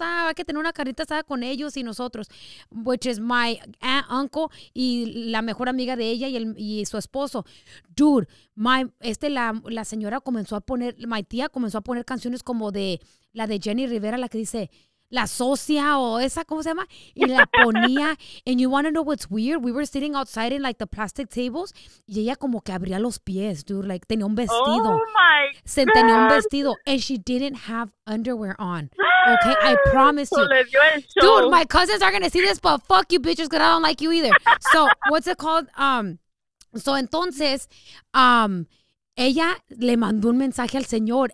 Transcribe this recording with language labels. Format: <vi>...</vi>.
<es>Ah, hay que tener una carnita asada con ellos y nosotros.</es> <en>Which is my aunt, uncle,</en> <es>y la mejor amiga de ella y su esposo. Dude, la señora comenzó a poner, my tía comenzó a poner canciones como de la de Jenny Rivera, la que dice... La socia o esa, ¿cómo se llama? Y la ponía.</es> <en>And you want to know what's weird? We were sitting outside in like the plastic tables.</en> <es>Y ella como que abría los pies, dude. Like, tenía un vestido.</es> <en>Oh, my God.</en> <es>Se tenía un vestido.</es> <en>And she didn't have underwear on. Okay? I promise you. Dude, my cousins are going to see this, but fuck you, bitches, because I don't like you either. So, what's it called?</en> <es>So, entonces, ella le mandó un mensaje al señor.</es>